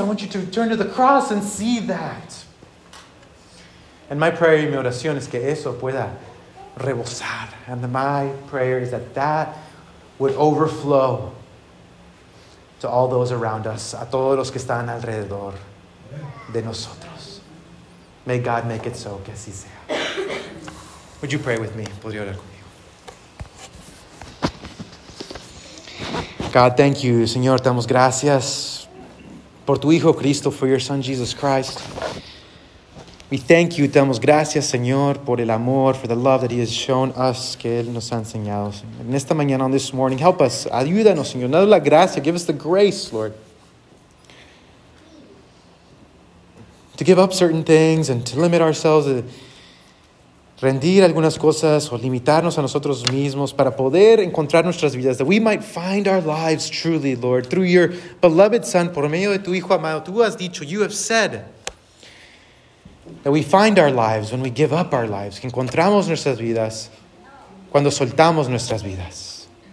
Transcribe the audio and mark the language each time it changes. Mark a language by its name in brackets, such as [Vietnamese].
[English] I want you to turn to the cross and see that. And my prayer [Spanish] y mi oración es que eso pueda rebosar. [English] And my prayer is that that would overflow to all those around us. [Spanish] A todos los que están alrededor de nosotros. [English] May God make it so, [Spanish] que así sea. [English] Would you pray with me? [Spanish] ¿Podría orar conmigo? [English] God, thank you. [Spanish] Señor, te damos gracias por tu Hijo Cristo, [English] for your Son, Jesus Christ. We thank you. [Spanish] Te damos gracias, Señor, por el amor, [English] for the love that He has shown us, [Spanish] que Él nos ha enseñado. Señor. En esta mañana, [English] on this morning, help us. [Spanish] Ayúdanos, Señor. Danos la gracia. [English] Give us the grace, Lord. To give up certain things and to limit ourselves, to [Spanish] rendir algunas cosas o limitarnos a nosotros mismos para poder encontrar nuestras vidas. [English] That we might find our lives truly, Lord, through your beloved Son, [Spanish] por medio de tu Hijo amado. Tú has dicho, [English] you have said, that we find our lives when we give up our lives. [Spanish] Que encontramos nuestras vidas cuando soltamos nuestras vidas.